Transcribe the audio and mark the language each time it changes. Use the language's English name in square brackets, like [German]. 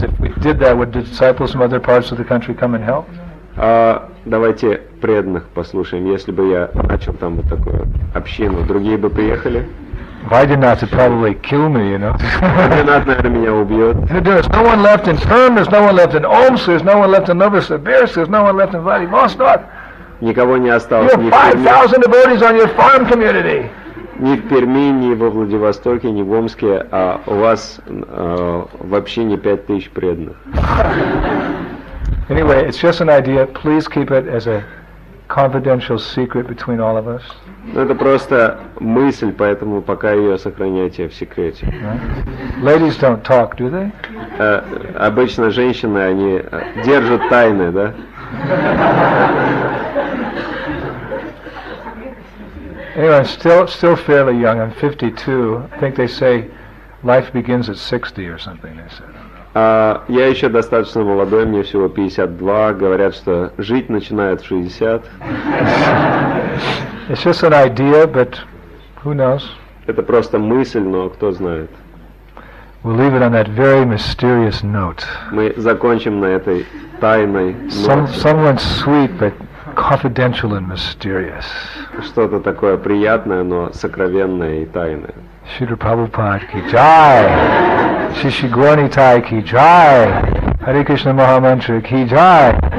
[English] If we did that, would the disciples from other parts of the country come and help? [Russian] Давайте преданных послушаем. Если бы я начал там вот такую общину, другие бы приехали? [English] If I did not, they'd probably kill me, you know. There's no one left in Perm, there's no one left in Omsk, there's no one left in Novosibirsk, there's no one left in Vladivostok. [Russian] Никого не осталось. [English] You have 5,000 devotees on your farm community. [Russian] Ни в Перми, ни во Владивостоке, ни в Омске, а у вас вообще не 5,000 преданных. [English] Anyway, it's just an idea. Please keep it as a confidential secret between all of us. [Russian] Это просто мысль, поэтому пока ее сохраняйте в секрете. [English] Ladies don't talk, do they? [Russian] Обычно женщины, они держат тайны, да? [English] Anyway, I'm still fairly young. I'm 52. I think they say life begins at 60 or something, they said. [Russian] Я еще достаточно молодой, мне всего 52. Говорят, что жить начинает в 60. [English] It's just an idea, but who knows? [Russian] Это просто мысль, но кто знает. [English] We'll leave it on that very mysterious note. [Russian] Мы закончим на этой тайной ноте. [English] Someone sweet, but confidential and mysterious. [Russian] Что-то такое приятное, но сокровенное и тайное. Шрила Прабхупада ки джай. Шиши Гурни Тай ки джай. Хари Кришна Махамантра ки джай.